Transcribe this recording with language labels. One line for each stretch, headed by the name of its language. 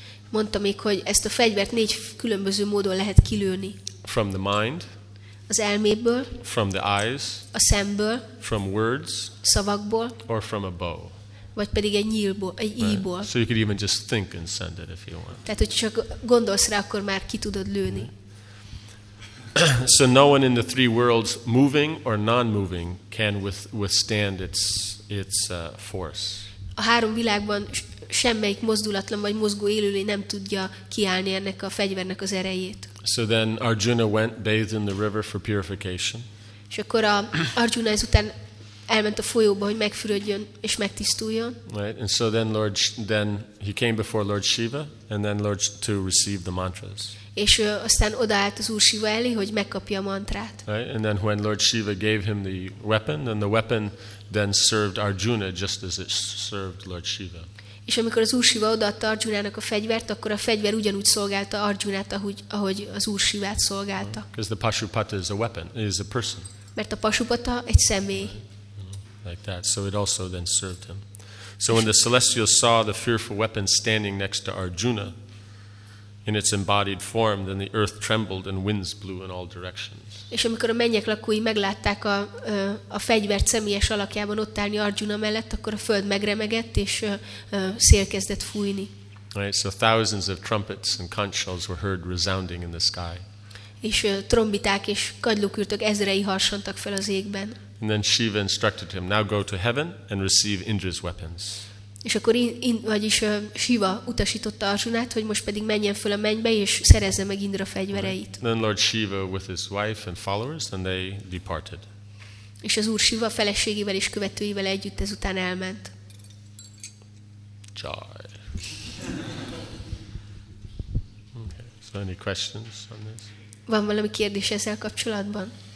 Hungarian: Mondta még, hogy ezt a fegyvert négy különböző módon lehet kilőni.
English: From the mind.
Hungarian: Az elméből.
English: From the eyes.
Hungarian: A szemből.
English: From words.
Hungarian: Szavakból.
English: Or from a bow.
Hungarian: Vagy pedig egy nyílból, egy íjból.
English: So you could even just think and send it if you want.
Hungarian: Tehát, hogy csak gondolsz rá, akkor már ki tudod lőni.
English: So no one in the three worlds, moving or non-moving, can withstand its force.
Hungarian: A három világban semmelyik mozdulatlan vagy mozgó élőlény nem tudja kiállni ennek a fegyvernek az erejét.
English: So then Arjuna went bathed in the river for purification.
Hungarian: És akkor Arjuna ezután elment a folyóba, hogy megfürödjön és megtisztuljon.
English: Right, and so then he came before Lord Shiva and then Lord to receive the mantras.
Hungarian: És aztán odaállt az Úr Shiva elé, hogy megkapja a mantrát.
English: Right, and then when Lord Shiva gave him the weapon, then the weapon then served Arjuna just as it served Lord Shiva.
Hungarian: És amikor az Úr Shiva odaadta Arjunának a fegyvert, akkor a fegyver ugyanúgy szolgálta Arjunát, ahogy az Úr Shivát szolgálta.
English: Because the Pashupata is a weapon, it is a person.
Hungarian: Mert a Pashupata egy személy.
English: Like that, so it also then served him. So when the celestials saw the fearful weapon standing next to Arjuna in its embodied form, then the earth trembled and winds blew in all directions.
Hungarian: És amikor a mennyek lakói meglátták a fegyvert személyes alakjában ott állni Arjuna mellett, akkor a föld megremegett és szél kezdett fújni.
English: Right, so thousands of trumpets and conch shells were heard resounding in the sky.
Hungarian: És trombiták és kagylókürtök ezrei harsantak fel az égben.
English: And then Shiva instructed him, now go to heaven and receive Indra's weapons.
Hungarian: És akkor vagyis Shiva utasította Arjunát, hogy most pedig menjen föl a mennybe és szerezze meg Indra fegyvereit.
English: Right. Then Lord Shiva with his wife and followers, and they departed.
Hungarian: És az Úr Shiva feleségével és követőivel együtt ezután elment. Jai.
English: Okay. So any questions on this?
Hungarian: Van valami kérdés ezzel kapcsolatban?